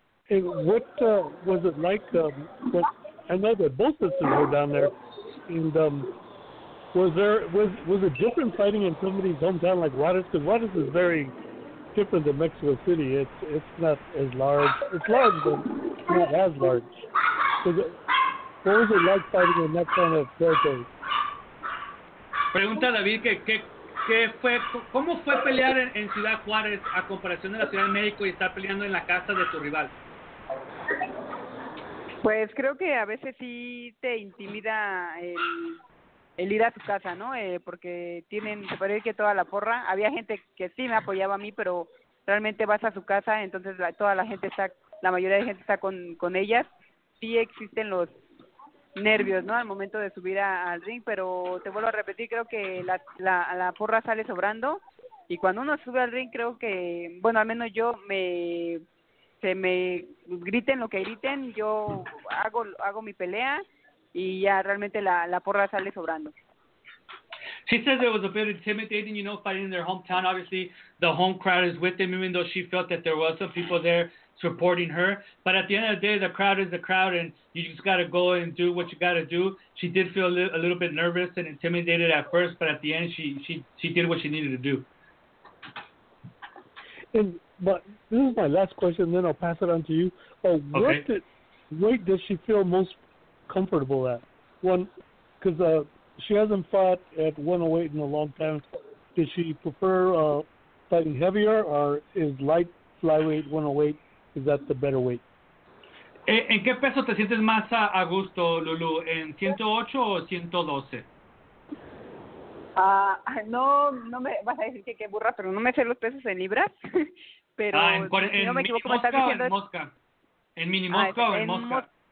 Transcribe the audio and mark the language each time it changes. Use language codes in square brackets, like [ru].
[en] And what was it like, I know that both sisters were down there, and was it different fighting in somebody's hometown like Juarez? Because Juarez is very different than Mexico City. It's not as large. It's large, but not as large. What was it like fighting in that kind of territory? [es] Pregunta David que fue, cómo fue pelear en Ciudad Juárez a comparación de la Ciudad de México y estar peleando en la casa de tu rival. Pues creo que a veces sí te intimida el ir a tu casa, ¿no? Porque tienen, se parece que toda la porra, había gente que sí me apoyaba a mí, pero realmente vas a su casa, entonces la mayoría de gente está con ellas. Sí existen los nervios, ¿no? Al momento de subir al ring, pero te vuelvo a repetir, creo que la porra sale sobrando, y cuando uno sube al ring, creo que, bueno, al menos yo se me griten lo que griten, yo hago mi pelea, y ya realmente la porra sale sobrando. [en] She says it was a bit intimidating, you know, fighting in their hometown. Obviously, the home crowd is with them, even though she felt that there were some people there supporting her. But at the end of the day, the crowd is the crowd, and you just got to go and do what you got to do. She did feel a little bit nervous and intimidated at first, but at the end, she did what she needed to do. But this is my last question, then I'll pass it on to you. What does she feel most comfortable at? One, because she hasn't fought at 108 in a long time. Does she prefer fighting heavier, or is light flyweight 108, is that the better weight? [es] ¿En qué peso te sientes más a gusto, Lulu? ¿En 108 o 112? No me vas a decir que qué burra, pero no me sé los pesos en libras. Pero en si no me equivoco, ¿me estás diciendo? ¿En mini mosca? ¿En mini mosca o en mosca?